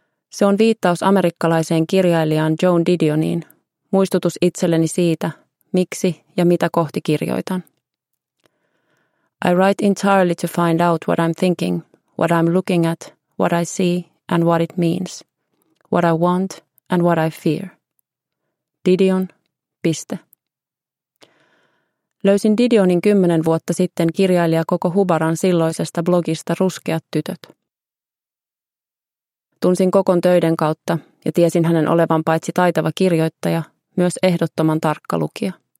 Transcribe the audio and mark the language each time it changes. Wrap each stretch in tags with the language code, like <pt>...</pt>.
<fi>Se on viittaus amerikkalaiseen kirjailijaan Joan Didioniin, muistutus itselleni siitä, miksi ja mitä kohti kirjoitan.</fi> <en>I write entirely to find out what I'm thinking, what I'm looking at, what I see and what it means, what I want and what I fear.</en> <fi>Didion, piste. Löysin Didionin 10 vuotta sitten kirjailija koko Hubaran silloisesta blogista Ruskeat tytöt. Tunsin kokon töiden kautta ja tiesin hänen olevan paitsi taitava kirjoittaja, myös ehdottoman tarkka lukija.</fi>